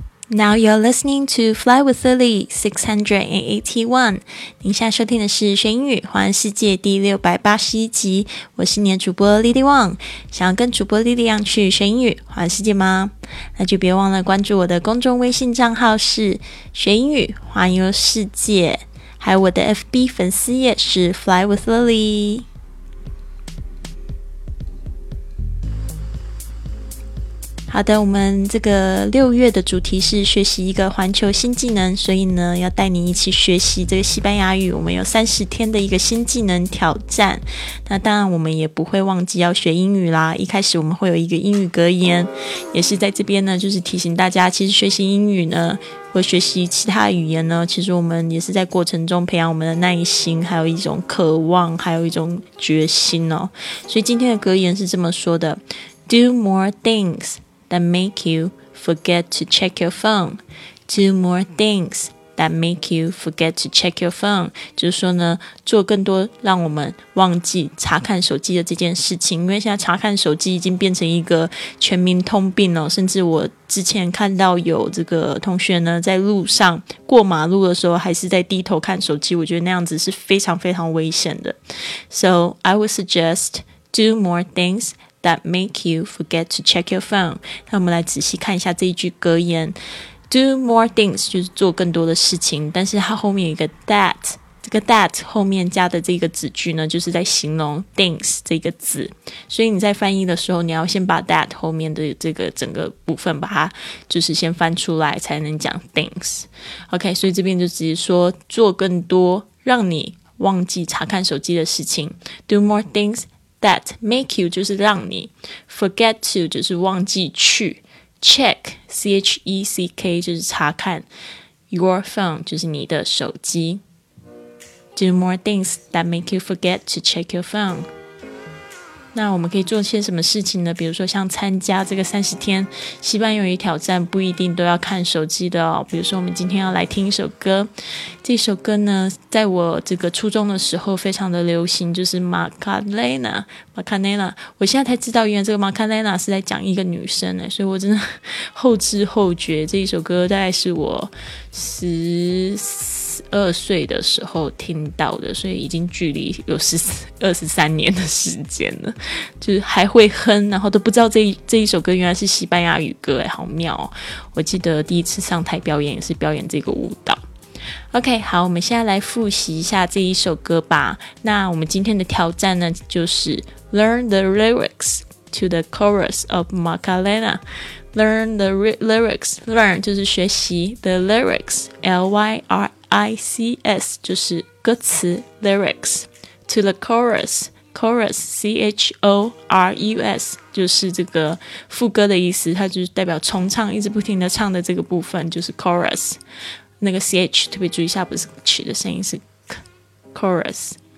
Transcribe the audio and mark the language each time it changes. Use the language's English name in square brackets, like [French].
[English] Now you're listening to Fly with Lily 681. [Chinese] 您现在收听的是学英语环游世界第681集。我是你的主播 Lily Wang。想要跟主播 Lily Wang 去学英语环游世界吗？那就别忘了关注我的公众微信账号是学英语环游世界，还有我的 FB 粉丝页是 Fly with Lily。好的，我们这个六月的主题是学习一个环球新技能，所以呢要带你一起学习这个西班牙语，我们有30天的一个新技能挑战。那当然我们也不会忘记要学英语啦，一开始我们会有一个英语格言，也是在这边呢就是提醒大家，其实学习英语呢或学习其他语言呢，其实我们也是在过程中培养我们的耐心，还有一种渴望，还有一种决心哦。所以今天的格言是这么说的， [English] Do more thingsThat make you forget to check your phone. Do more things that make you forget to check your phone. [Chinese] 就是说呢，做更多让我们忘记查看手机的这件事情，因为现在查看手机已经变成一个全民通病了。甚至我之前看到有这个同学呢，在路上过马路的时候还是在低头看手机，我觉得那样子是非常非常危险的。 [English] So I would suggest do more thingsThat make you forget to check your phone. [Chinese] 那我们来仔细看一下这一句格言。Do more things 就是做更多的事情，但是它后面有一个 that， 这个 that 后面加的这个子句呢就是在形容 things 这个字，所以你在翻译的时候你要先把 that 后面的这个整个部分把它就是先翻出来才能讲 things。 OK， 所以这边就直接说做更多让你忘记查看手机的事情。 [English] Do more thingsThat make you [Chinese] 就是让你 [English] forget to [Chinese] 就是忘记去 [English] check check [Chinese] 就是查看 [English] your phone [Chinese] 就是你的手机。 [English] Do more things that make you forget to check your phone。 [Chinese] 那我们可以做些什么事情呢？比如说像参加这个30天西班牙语挑战，不一定都要看手机的哦。比如说我们今天要来听一首歌，这首歌呢在我这个初中的时候非常的流行，就是 Macarena。我现在才知道原来这个 Macarena 是在讲一个女生的，所以我真的后知后觉，这一首歌大概是我12岁的时候听到的，所以已经距离有23年的时间了，就是还会哼，然后都不知道这一首歌原来是西班牙语歌，好妙哦。我记得第一次上台表演也是表演这个舞蹈。OK， 好，我们现在来复习一下这一首歌吧。那我们今天的挑战呢就是 [English] Learn the lyrics to the chorus of Macarena。 [Chinese] Learn the lyrics， Learn 就是学习， The lyrics L-Y-R-I-C-S 就是歌词 lyrics to the chorus， chorus C-H-O-R-U-S 就是这个副歌的意思，它就是代表重唱，一直不停的唱的这个部分就是 chorus，那个 CH 特别注意一下，不是 CH 的声音，是 CHORUS。